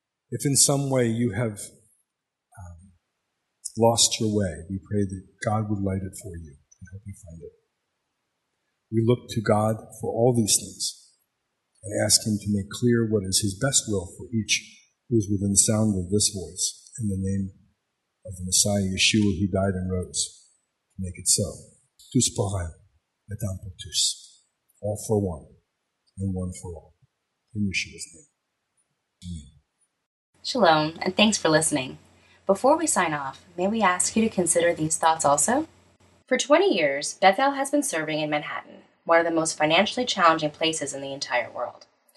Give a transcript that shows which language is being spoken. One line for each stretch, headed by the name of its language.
English: If in some way you have lost your way, we pray that God would light it for you and help you find it. We look to God for all these things and ask him to make clear what is his best will for each who is within the sound of this voice, in the name of the Messiah Yeshua who died and rose, to make it so.
French: Tous pour un, et un pour tous.
English: All for one, and one for all. In Yeshua's name. Amen. Shalom, and thanks for listening. Before we sign off, may we ask you to consider these thoughts also? For 20 years, Bethel has been serving in Manhattan, one of the most financially challenging places in the entire world.